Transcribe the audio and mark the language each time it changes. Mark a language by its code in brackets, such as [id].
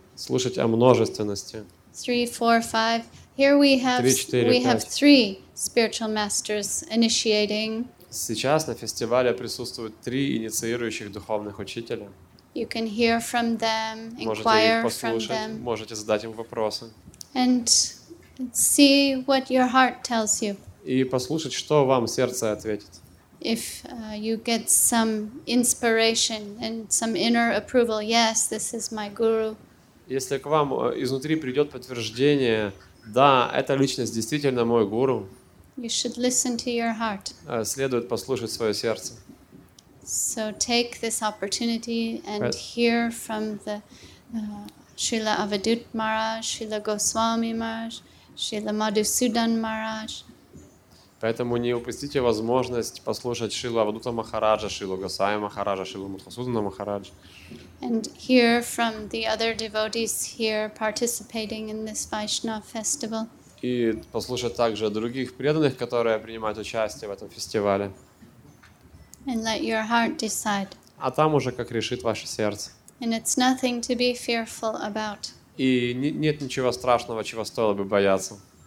[ru] Слушать о множественности. [en] 3, 4, 5. Here we have 3, 4, 5. Have three spiritual masters initiating. [ru] Сейчас на фестивале присутствуют три инициирующих духовных учителя. [en] You can hear from them, inquire from them. [ru] Можете задать им вопросы. [en] And see what your heart tells you. [ru] И послушать, что вам сердце ответит. [en] If you get some inspiration and some inner approval, yes, this is my guru. [ru] Если к вам изнутри придет подтверждение, да, эта личность действительно мой гуру. [en] You should listen to your heart. [ru] Следует послушать свое сердце. [en] So take this opportunity and hear from the. Srila Avadhut Maharaj, Srila Goswami Maharaj, Srila Madhusudan Maharaj. [ru] Поэтому не упустите возможность послушать Шрилу Авадута Махараджа, Шрилу Госвами Махараджа, Шрилу Мадхусудана Махараджа. [en] And hear from the other devotees here participating in this Vaishnava festival. [ru] И послушать также других преданных, которые принимают участие в этом фестивале. [en] And let your heart decide. [ru] А там уже как решит ваше сердце. [en] And it's nothing to be fearful about. [ru] И нет ничего страшного, чего стоило бы бояться.